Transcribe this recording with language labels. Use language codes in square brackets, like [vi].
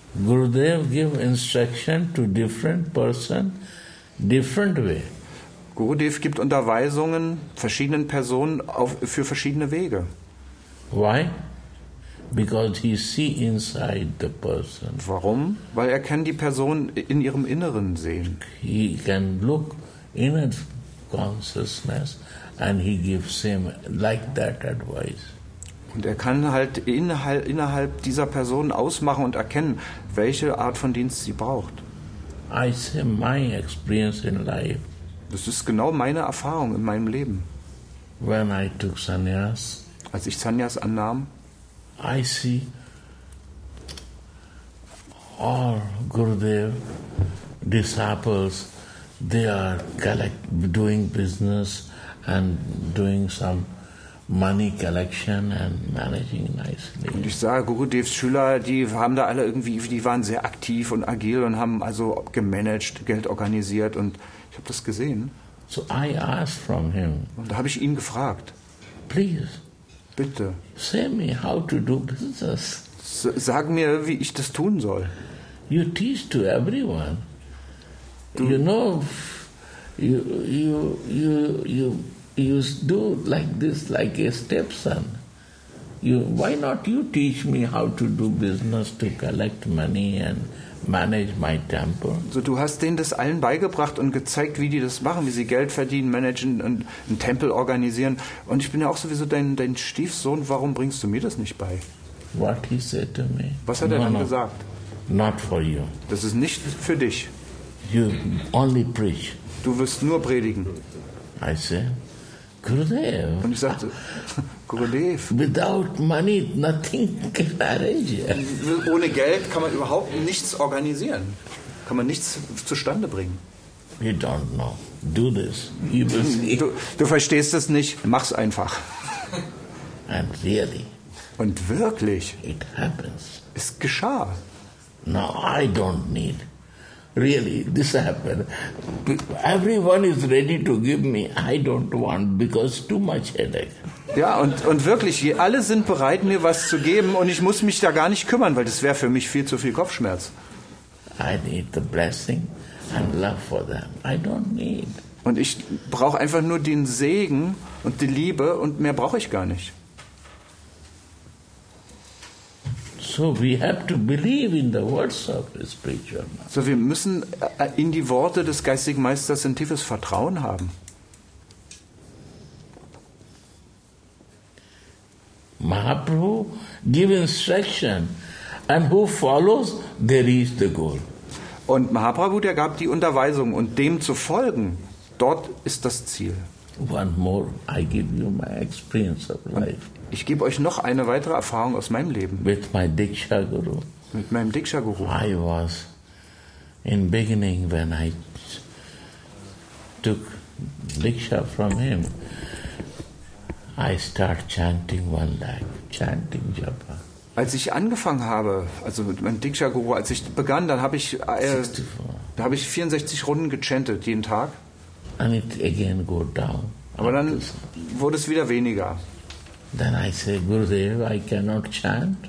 [en] Gurudev give instruction to different person, different way. [de] Gurudev gibt Unterweisungen verschiedenen Personen für verschiedene Wege. [en] Why? Because he see inside the person. [de] Warum? Weil er kann die Person in ihrem Inneren sehen. [en] He can look in his consciousness and he gives him like that advice. [de] Und er kann halt innerhalb dieser Person ausmachen und erkennen, welche Art von Dienst sie braucht. [en] I see my experience in life. [de] Das ist genau meine Erfahrung in meinem Leben. [en] When I took sannyas, [de] als ich Sannyas annahm, [en] I see all Gurudev disciples, they are doing business and doing some money collection and managing nicely. [de] Und ich sah Gurudevs Schüler, die haben da alle irgendwie, die waren sehr aktiv und agil und haben also gemanagt, Geld organisiert und ich habe das gesehen. [en] So I asked from him. [de] Und da habe ich ihn gefragt. [en] Please. [de] Bitte. [en] Say me how to do business. [de] Sag mir, wie ich das tun soll. [en] You teach to everyone. You know, you do like this, like a stepson. You, why not you teach me how to do business, to collect money and manage my temple. [de] So, du hast denen das allen beigebracht und gezeigt, wie die das machen, wie sie Geld verdienen, managen und einen Tempel organisieren. Und ich bin ja auch sowieso dein Stiefsohn, warum bringst du mir das nicht bei? [en] What he said to me. [de] Was hat er dann gesagt? [en] Not for you. [de] Das ist nicht für dich. [en] You only preach. [de] Du wirst nur predigen. [en] I say, Gurudev. [de] Und ich sagte, Gurudev. [en] Without money, nothing can arrange. [de] Ohne Geld kann man überhaupt nichts organisieren. Kann man nichts zustande bringen. [en] You don't know. Do this. You will see. [de] Du verstehst es nicht. Mach's einfach. [en] And really. [de] Und wirklich. [en] It happens. [de] Es geschah. [en] No, I don't need. Really, this happened. Everyone is ready to give me. I don't want because too much headache. [de] Ja, und wirklich, alle sind bereit, mir was zu geben und ich muss mich da gar nicht kümmern, weil das wäre für mich viel zu viel Kopfschmerz. [en] I need the blessing and love for them. I don't need. [de] Und ich brauche einfach nur den Segen und die Liebe und mehr brauche ich gar nicht. [en] So we have to believe in the words of the spiritual master. [de] So wir müssen in die Worte des geistigen Meisters ein tiefes Vertrauen haben. [en] Mahaprabhu give instruction and who follows there is the goal. [de] Und Mahaprabhu der gab die Unterweisung und dem zu folgen, dort ist das Ziel. [en] One more I give you my experience of life. [de] Ich gebe euch noch eine weitere Erfahrung aus meinem Leben. [en] With my Diksha Guru. [de] Mit meinem Diksha Guru. [en] I was in beginning when I took Diksha from him. I start chanting one leg, chanting Japa. [de] Als ich angefangen habe, also mit meinem Diksha Guru, als ich begann, dann habe ich 64 Runden gechantet jeden Tag. [en] And it again go down. [de] Aber dann wurde es wieder weniger. [en] Then I say, Gurudev, I cannot chant.